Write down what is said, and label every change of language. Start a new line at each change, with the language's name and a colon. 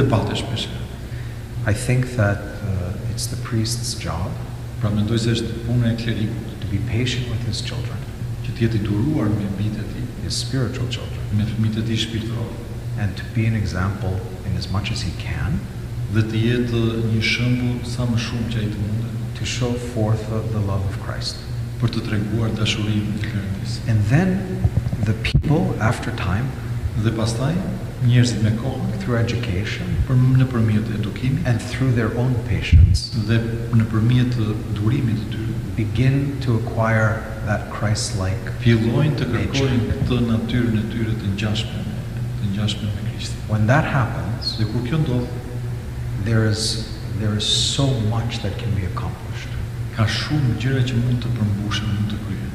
English: I think that it's the priest's job to be patient with his children, his spiritual children, and to be an example in as much as he can.
Albanian: dhe të jetë një shembull sa më shumë që ai të mundet.
English: To show forth the love of Christ.
Albanian: Për të treguar dashurinë e Krishtit.
English: And then the people after time,
Albanian: dhe pastaj njerëzit me kohë,
English: through education,
Albanian: nëpërmjet edukimit,
English: and through their own patience,
Albanian: dhe nëpërmjet durimit të tyre,
English: begin to acquire that Christ-like nature.
Albanian: Fillojnë të kërkojnë këtë natyrën e tyre të ngjashme me Krishtin.
English: When that happens,
Albanian: dhe kur kjo ndodh,
English: there is so much that can be accomplished.
Albanian: Ka shumë gjëra që mund të përmbushen, mund të kryhen.